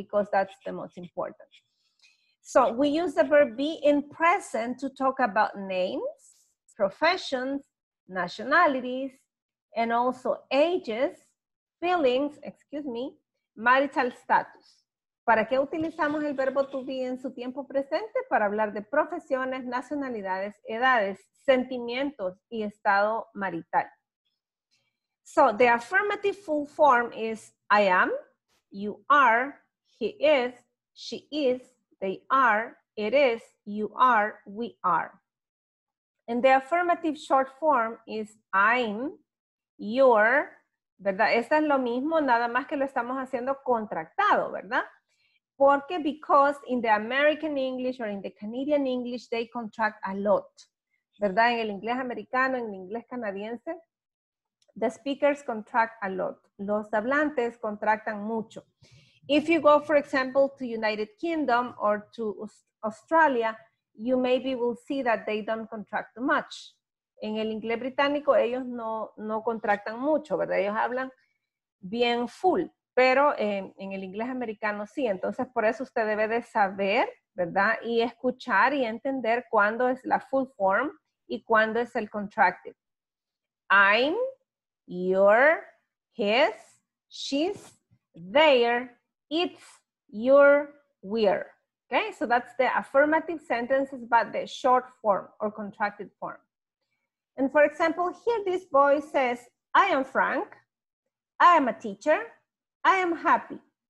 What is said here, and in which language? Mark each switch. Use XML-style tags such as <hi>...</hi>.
<en>Because that's the most important. So we use the verb be in present to talk about names, professions, nationalities, and also ages, feelings, excuse me, marital status.</en> <es>¿Para qué utilizamos el verbo to be en su tiempo presente? Para hablar de profesiones, nacionalidades, edades, sentimientos y estado marital.</es> <en>So the affirmative full form is I am, you are, he is, she is, they are, it is, you are, we are. And the affirmative short form is I'm, you're,</en> <es>¿verdad? Esta es lo mismo, nada más que lo estamos haciendo contractado, ¿verdad? Porque,</es> <en>because in the American English or in the Canadian English, they contract a lot,</en> <es>¿verdad? En el inglés americano, en el inglés canadiense,</es> <en>the speakers contract a lot.</en> <es>Los hablantes contractan mucho.</es> <en>If you go, for example, to United Kingdom or to Australia, you maybe will see that they don't contract too much.</en> <es>En el inglés británico, ellos no contractan mucho, ¿verdad? Ellos hablan bien full, pero en el inglés americano sí. Entonces, por eso usted debe de saber, ¿verdad? Y escuchar y entender cuándo es la full form y cuándo es el contracted.</es> <en>I'm, you're, his, she's, they're, it's, you're, we're. Okay, so that's the affirmative sentences, but the short form or contracted form. And for example, here this boy says, I am Frank, I am a teacher, I am happy.</en>